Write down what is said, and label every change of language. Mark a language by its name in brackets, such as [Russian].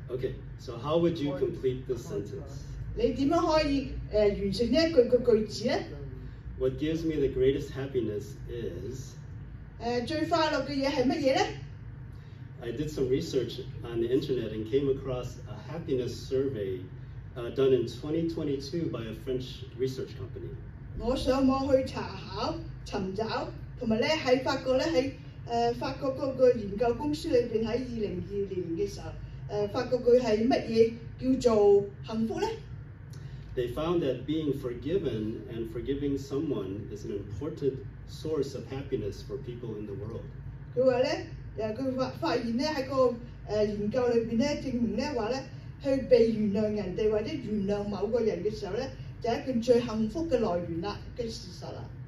[English] Okay， so how would you complete this sentence？ [Cantonese] 你點樣可以完成呢一句句子咧 [English] ？What gives me the greatest happiness is？ [Cantonese] 最快樂嘅嘢係乜嘢咧 [English] ？I did some research on the internet and came across a happiness survey。 Done in 2022 by a French research company. [Cantonese] 我上網去查考、尋找，同埋咧喺法國咧喺法國嗰個研究公司裏邊喺2022年嘅時候，發覺佢係乜嘢叫做幸福咧 [English] ？They found that being forgiven and forgiving someone is an important source of happiness for people in the world. [Cantonese] 佢話咧，佢發現咧喺個研究裏邊咧證明咧話咧。去被原諒人哋或者原諒某個人嘅時候咧，就係一件最幸福嘅來源啦嘅事實啦。